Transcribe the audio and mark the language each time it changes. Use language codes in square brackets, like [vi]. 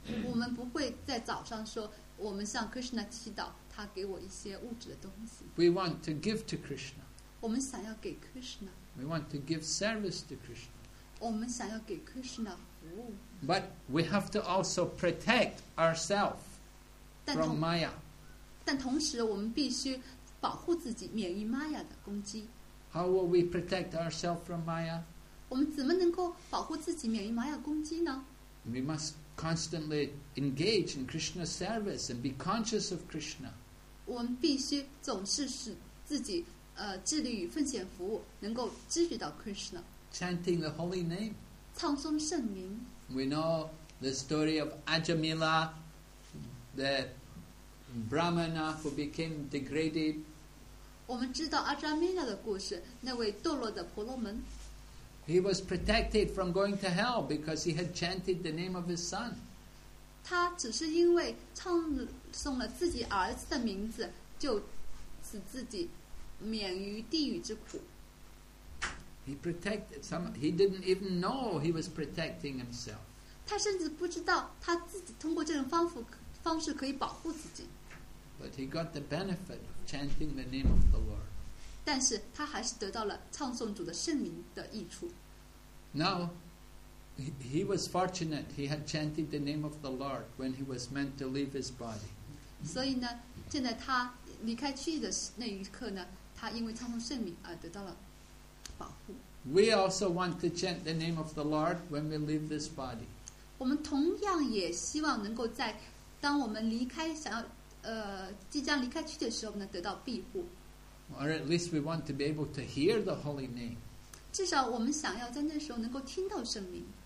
[zh] 我们不会在早上说，我们向 Krishna 祈祷，他给我一些物质的东西。 [en] We want to give to Krishna. [zh] 我们想要给 Krishna. [en] We want to give service to Krishna. [zh] 我们想要给 Krishna 服务。 [en] But we have to also protect ourselves from Maya. [zh] 但同时，我们必须保护自己免于 Maya 的攻击。 [en] How will we protect ourselves from Maya? [zh] 我们怎么能够保护自己免于玛雅攻击呢？ [en] We must constantly engage in Krishna's service and be conscious of Krishna. [zh] 我们必须总是使自己致力于奉献服务，能够知觉到 Krishna. [en] Chanting the holy name. [zh] 唱诵圣名。 [en] We know the story of Ajamila, the Brahmana who became degraded. [zh] 我们知道阿扎米拉的故事，那位堕落的婆罗门。 [en] He was protected from going to hell because he had chanted the name of his son. [zh] 他只是因为唱诵了自己儿子的名字，就使自己免于地狱之苦。 [en] He protected some. He didn't even know he was protecting himself. [zh] 他甚至不知道他自己通过这种方式可以保护自己。 [en] But he got the benefit of chanting the name of the Lord. [zh] 但是他还是得到了唱诵主的圣名的益处。 [en] Now, he was fortunate. He had chanted the name of the Lord when he was meant to leave his body. [zh] 所以呢，现在他离开去的那一刻呢，他因为唱诵圣名而得到了保护。 [en] We also want to chant the name of the Lord when we leave this body. [zh] 我们同样也希望能够在当我们离开想要。即将离开去的时候呢，得到庇护。 [en] Or at least we want to be able to hear the holy name. [zh] 至少我们想要在那时候能够听到圣名。